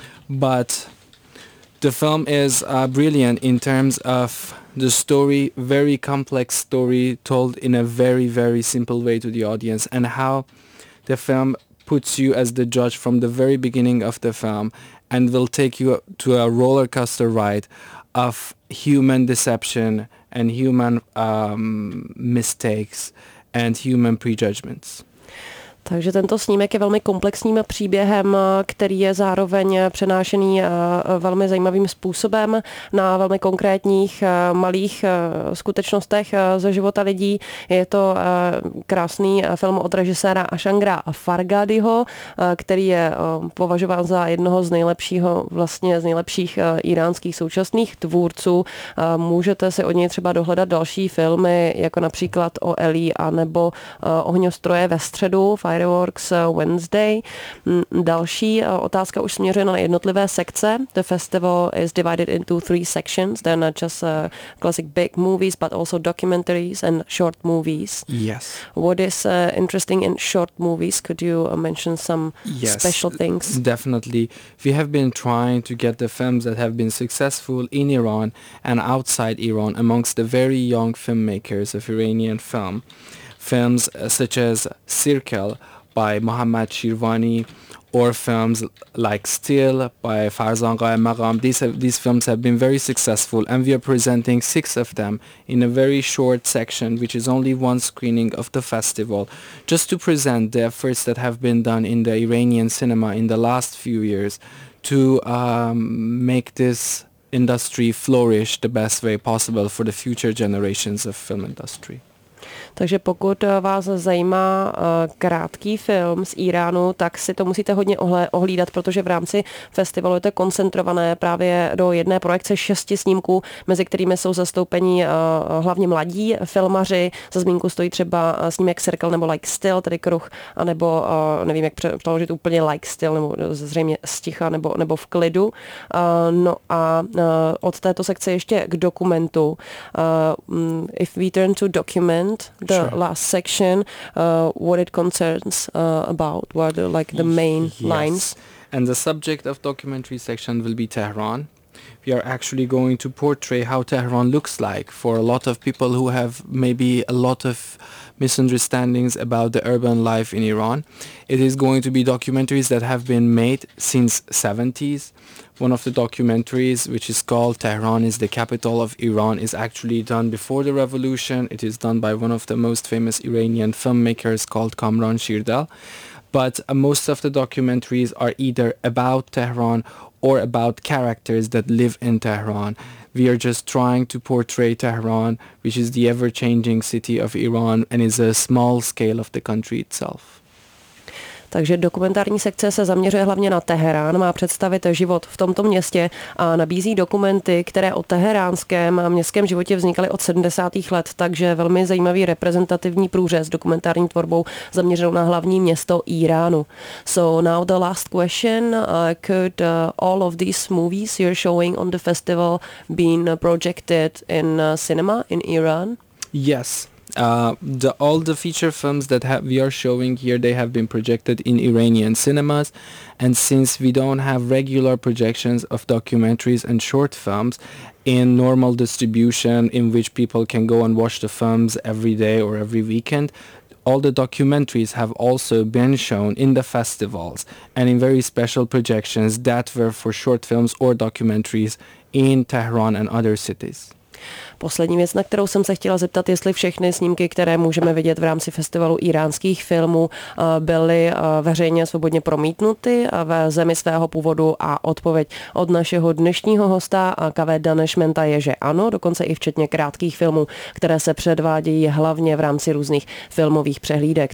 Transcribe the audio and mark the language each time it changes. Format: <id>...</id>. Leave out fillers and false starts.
<en>But the film is brilliant in terms of the story, very complex story told in a very, very simple way to the audience, and how the film puts you as the judge from the very beginning of the film and will take you to a roller coaster ride of human deception and human mistakes and human prejudgments.</en> <cs>Takže tento snímek je velmi komplexním příběhem, který je zároveň přenášený velmi zajímavým způsobem na velmi konkrétních malých skutečnostech ze života lidí. Je to krásný film od režiséra Ashangra Farghadiho, který je považován za jednoho z nejlepšího, vlastně z nejlepších iránských současných tvůrců. Můžete si od něj třeba dohledat další filmy, jako například O Eli a nebo Ohňostroje ve středu, Fireworks Wednesday. Další otázka už směřuje na jednotlivé sekce.</cs> <en>The festival is divided into three sections. They're not just classic big movies, but also documentaries and short movies. Yes. What is interesting in short movies? Could you mention some special things? Definitely. We have been trying to get the films that have been successful in Iran and outside Iran amongst the very young filmmakers of Iranian film. Films such as Circle by Mohammad Shirvani, or films like Still by Farzan Qaim Maqam. These films have been very successful, and we are presenting six of them in a very short section, which is only one screening of the festival, just to present the efforts that have been done in the Iranian cinema in the last few years to make this industry flourish the best way possible for the future generations of film industry.</en> <cs>Takže pokud vás zajímá krátký film z Iránu, tak si to musíte hodně ohlídat, protože v rámci festivalu je to koncentrované právě do jedné projekce šesti snímků, mezi kterými jsou zastoupení hlavně mladí filmaři. Za zmínku stojí třeba snímek Circle nebo Like Still, tedy kruh, anebo nevím, jak přeložit úplně Like Still, nebo zřejmě Sticha, nebo V klidu. No a od této sekce ještě k dokumentu.</cs> <en>If we turn to document, the sure. last section, what it concerns about, what are like the main lines? And the subject of documentary section will be Tehran. We are actually going to portray how Tehran looks like for a lot of people who have maybe a lot of misunderstandings about the urban life in Iran. It is going to be documentaries that have been made since 70s. One of the documentaries, which is called Tehran is the Capital of Iran, is actually done before the revolution. It is done by one of the most famous Iranian filmmakers called Kamran Shirdal. But most of the documentaries are either about Tehran or about characters that live in Tehran. We are just trying to portray Tehran, which is the ever-changing city of Iran and is a small scale of the country itself.</en> <cs>Takže dokumentární sekce se zaměřuje hlavně na Teherán, má představit život v tomto městě a nabízí dokumenty, které o teheránském a městském životě vznikaly od 70. let, takže velmi zajímavý reprezentativní průřez dokumentární tvorbou zaměřenou na hlavní město Iránu.</cs> <en>So now the last question, could all of these movies you're showing on the festival been projected in cinema in Iran? Yes. All the feature films that we are showing here, they have been projected in Iranian cinemas. And since we don't have regular projections of documentaries and short films in normal distribution, in which people can go and watch the films every day or every weekend, all the documentaries have also been shown in the festivals and in very special projections that were for short films or documentaries in Tehran and other cities.</en> <cs>Poslední věc, na kterou jsem se chtěla zeptat, jestli všechny snímky, které můžeme vidět v rámci festivalu iránských filmů, byly veřejně svobodně promítnuty ve zemi svého původu, a odpověď od našeho dnešního hosta Kaveh Danešmenda je, že ano, dokonce i včetně krátkých filmů, které se předvádějí hlavně v rámci různých filmových přehlídek.</cs>